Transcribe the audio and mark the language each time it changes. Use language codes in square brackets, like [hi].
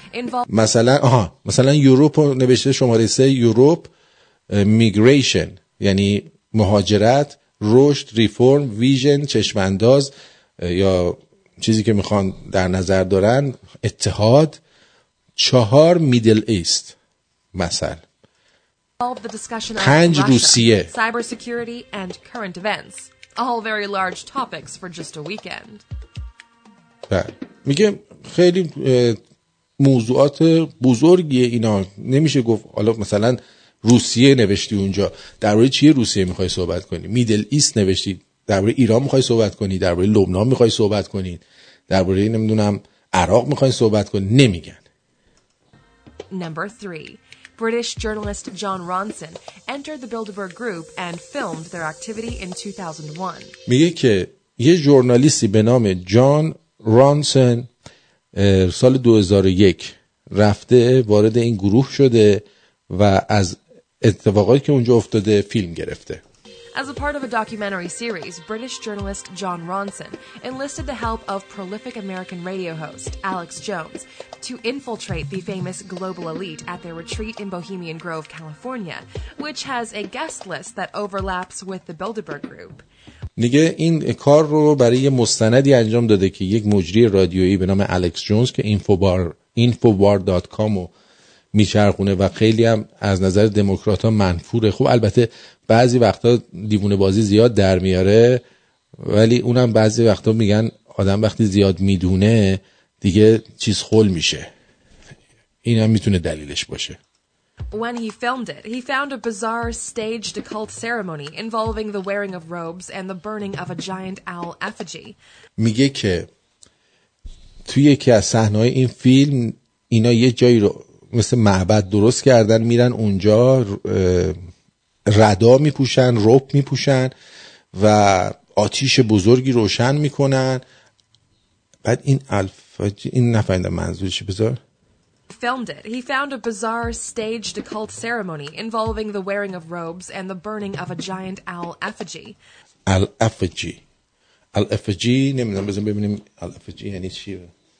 [fa] involved مثلا یوروپ نوشته شماره 3 یوروپ، میگریشن یعنی مهاجرت، رشد، ریفورم، ویژن، چشمانداز یا چیزی که میخوان در نظر دارن، اتحاد، 4 میدل ایست مثلا، پنج روسیه. [en] Cyber security and current events. All very large topics for just a weekend. [fa] میگه خیلی موضوعات بزرگیه اینا. نمیشه گفت حالا مثلا روسیه نوشتی اونجا درباره چیه روسیه میخوای صحبت کنی، میدل ایست نوشتی درباره ایران میخوای صحبت کنی، درباره لبنان میخوای صحبت کنی، درباره نمیدونم عراق میخوای صحبت کنی، نمیگن. [en] Number 3. British journalist John Ronson entered the Bilderberg group and filmed their activity in 2001. [fa] میگه که یه ژورنالیستی به نام جان رانسن سال 2001 رفته وارد این گروه شده و از اتفاقاتی که اونجا افتاده فیلم گرفته. [en] As a part of a documentary series, British journalist John Ronson enlisted the help of prolific American radio host Alex Jones to infiltrate the famous global elite at their retreat in Bohemian Grove, California, which has a guest list that overlaps with the Bilderberg group. [fa] نگه این کار رو برای یه مستندی انجام داده که یک مجری رادیویی به نام الکس جونز که infobar.com رو میچرخونه و خیلی هم از نظر دموکرات ها منفوره. خب البته بعضی وقتا دیوونه بازی زیاد در میاره، ولی اونم بعضی وقتا میگن آدم وقتی زیاد میدونه دیگه چیز خول میشه، این هم میتونه دلیلش باشه. [en] When he filmed it, he found a bizarre staged occult ceremony involving the wearing of robes and the burning of a giant owl effigy. [fa] میگه که توی یکی از صحنه‌های این فیلم اینا یه جایی رو مثل معبد درست کردن، میرن اونجا ردا میپوشن، روب میپوشن و آتیش بزرگی روشن میکنن. بعد این الفاجی این نفهمیدم منظورش بذار. [en] Filmed it. He found a bizarre staged occult ceremony involving the wearing of robes and the burning of a giant owl effigy. Owl effigy. Owl effigy. [fa] نمیدونم بزن ببینیم [en] owl effigy [fa] یعنی چی.